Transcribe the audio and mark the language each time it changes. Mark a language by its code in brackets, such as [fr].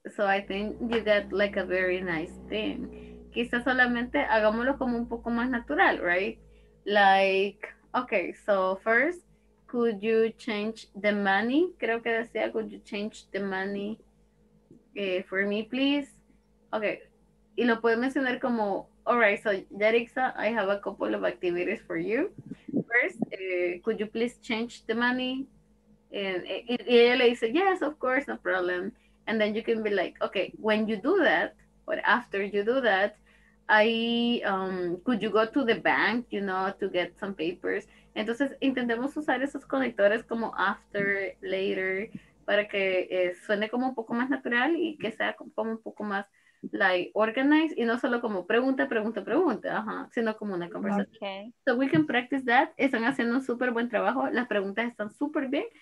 [en] So I think you get like a very nice thing. [es] Quizás solamente hagámoslo como un poco más natural, [en] right? Like... Okay, so first, could you change the money? [es] Creo que decía, [en] could you change the money for me, please? Okay, [es] y lo puede mencionar como, [en] all right, so Yarixa, I have a couple of activities for you. First, could you please change the money? And [es] ella le dice, [en] yes, of course, no problem. And then you can be like, okay, when you do that, or after you do that, could you go to the bank, you know, to get some papers? [es] Entonces, intentemos usar esos conectores como after, later, para que suene como un poco más natural y que sea como un poco más, [en] like, organized, [es] y no solo como pregunta, sino como una conversación. [en] Okay. So we can practice that. [es] Están haciendo un súper buen trabajo. Las preguntas están súper bien.